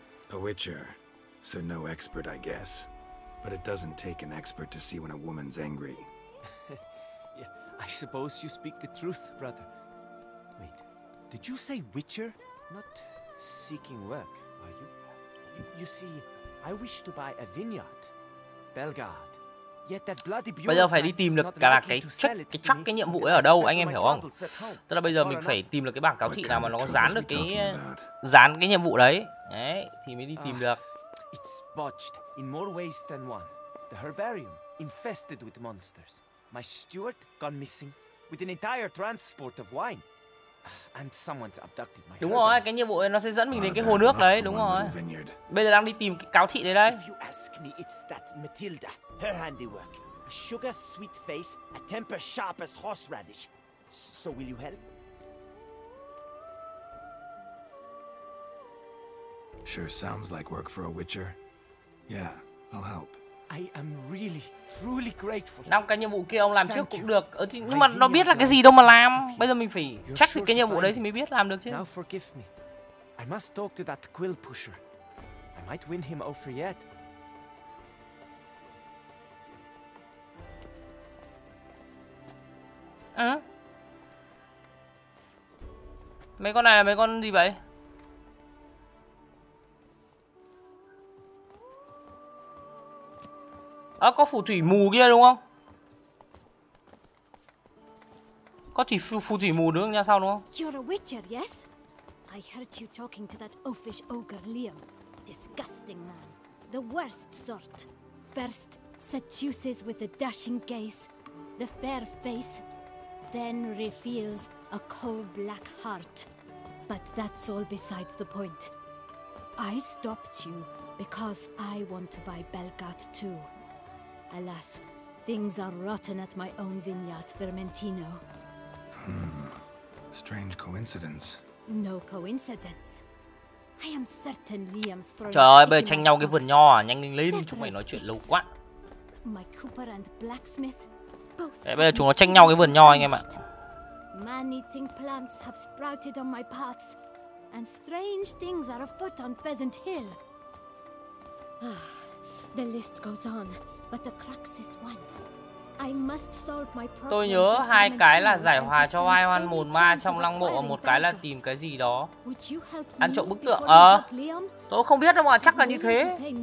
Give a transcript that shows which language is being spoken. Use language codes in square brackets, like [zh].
[en] A witcher, so no expert, I guess. But it doesn't take an expert to see when a woman's angry. Yeah, I suppose you speak the truth, brother. Wait, did you say witcher? Not seeking work, are you? You see, I wish to buy a vineyard, Belgard. [vi] Bây giờ phải đi tìm được cả là cái nhiệm vụ ấy ở đâu, anh em hiểu không? Tức là bây giờ mình phải tìm được cái bảng cáo thị nào mà nó dán được cái nhiệm vụ đấy. Đấy, thì mới đi tìm được. [en] It's botched in more ways than one. The herbarium infested with monsters. My steward gone missing with an entire transport of wine. And someone's abducted my. [vi] Đúng rồi, cái nhiệm vụ ấy nó sẽ dẫn mình đến cái hồ nước đấy, đúng rồi. Bây giờ đang đi tìm cái cáo thị đấy đây. [en] It's that Matilda. Her handiwork, a sugar sweet face, a temper sharp as horseradish. So will you help? Sure sounds like work for a witcher. Yeah, I'll help. I am really, truly grateful. [vi] Năm cái nhiệm vụ kia ông làm trước cũng được. Nhưng mà nó biết là cái gì đâu mà làm. Bây giờ mình phải check cái nhiệm vụ đấy thì mới biết làm được chứ. [en] Now forgive me. I must talk to that quill pusher. I might win him over yet. À? [vi] Mấy con này là mấy con gì vậy? À, có phù thủy mù kia đúng không? Có thì phù thủy mù nữa nha, sao đúng không? [en] You're a witcher, yes? I heard you talking to that oafish ogre Liam. Disgusting man. The worst sort. First seduces with a dashing gaze, the fair face. Then reveals a cold black heart. But that's all besides the point. I stopped you because I want to buy Belgard too. Alas, things are rotten at my own vineyard, Vermentino. Strange coincidence. No coincidence. I am certain Liam's throwing. [vi] Trời ơi, bây giờ tranh nhau cái vườn nho à? Nhanh lên, chúng mày nói chuyện lâu quá. [en] My cooper and blacksmith. [vi] Đấy, bây giờ chúng nó tranh nhau cái vườn nho anh em ạ. [en] Man-eating plants have sprouted on my paths, and strange things are afoot on Pheasant Hill. The list goes on, but the crux is one. I must solve my problem. [vi] Tôi nhớ hai cái là giải hòa cho vai hoan mồn ma trong lăng mộ và một cái là tìm cái gì đó. Ăn trộm bức tượng. Tôi không biết đâu mà chắc là như thế.